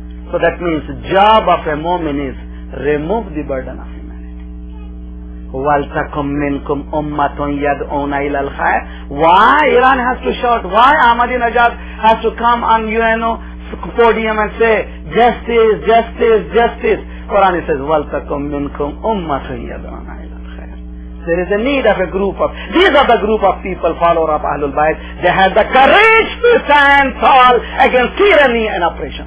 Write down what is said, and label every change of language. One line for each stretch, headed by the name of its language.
English: So that means job of a mu'min is remove the burden of humanity.
Arabic: وَلْتَكُمْ مِنْكُمْ أُمَّةٌ يَدْعُونَ إِلَى الْخَيْرِ.
English: Why Iran has to shout? Why Ahmadinejad has to come on UNO podium and say, justice, justice, justice? Quran says,
Arabic: وَلْتَكُمْ مِنْكُمْ أُمَّةٌ يَدْعُونَ.
English: There is a need of a group of, these are the group of people, follower of Ahlul Bayt. They have the courage to stand tall against tyranny and oppression.